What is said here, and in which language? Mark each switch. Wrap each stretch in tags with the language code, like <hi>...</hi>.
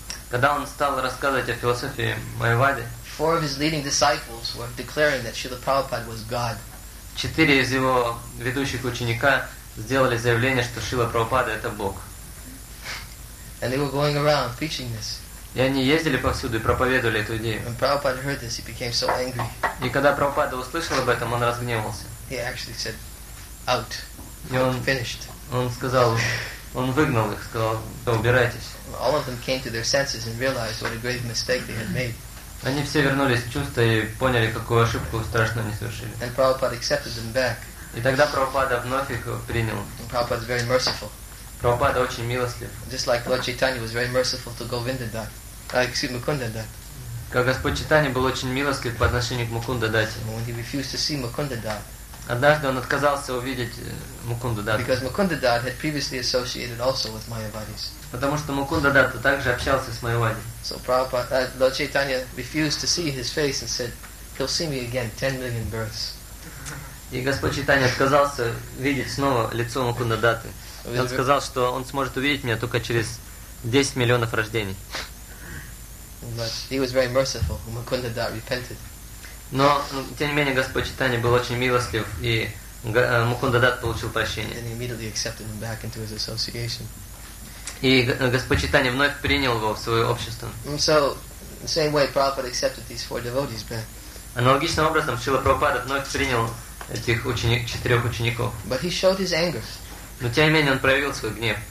<ru>Когда он стал рассказывать о философии Майявады,</ru> <en>four of his leading disciples were declaring that Srila Prabhupada was God.</en> <ru>Четыре из его ведущих ученика сделали заявление, что Шрила Прабхупада это Бог.</ru> <en>And they were going around preaching this.</en> <ru>И они ездили повсюду и проповедовали эту идею.</ru> <en>This, so</en> <ru>и когда Прабхупада услышал об этом, он разгневался.</ru> <en>He actually said, "Out." Finished.</en> <ru>Он сказал, он выгнал их, сказал, убирайтесь.</ru> <en>All of them came to their senses and realized what a great mistake they had made.</en> <ru>Они все вернулись в чувство и поняли, какую ошибку страшно они совершили.</ru> <en>And Prabhupada accepted them back.</en> <ru>И тогда Прабхупада вновь их принял.</ru> <en>And Prabhupada is very merciful.</en> <ru>Прабхупада очень милостлив.</ru> <en>Just like Lord Chaitanya was very merciful to Govinda Dutt. Excuse Mukunda Dutt.</en> <ru>Как Господь Чайтанья был очень милостлив по отношению к Мукунда Датте.</ru> <en>When he refused to see Mukunda Dutt.</en> <ru>Однажды он отказался увидеть Мукунду Датту.</ru> <en>Because Mukunda Dutt had previously associated also with Mayavadis.</en> <ru>Потому что Мукунда Датта также общался с Майявади.</ru> <en>So Prabhupada, Lord Chaitanya refused to see his face and said, "He'll see me again 10 million births."</en> <ru>И Господь Чайтанья отказался видеть снова лицо Мукунда Датты. Он сказал, что он сможет увидеть меня только через 10 миллионов рождений.</ru> <en>But he was very merciful. Mukunda Datta repented.</en> <ru>Но, тем не менее, Господь Чайтанья был очень милостлив, и Мукунда Датта получил прощение.</ru> <en>And he immediately accepted him back into his association.</en> <ru>И Господь Чайтанья вновь принял его в свое общество.</ru> <en>So, the same way, Prabhupada accepted these four devotees back.</en> <ru>Аналогичным образом, Шрила Прабхупада вновь принял этих четырех учеников.</ru> <en>But he showed his anger.</en> <ru>Но тем не менее он проявил свой гнев.</ru>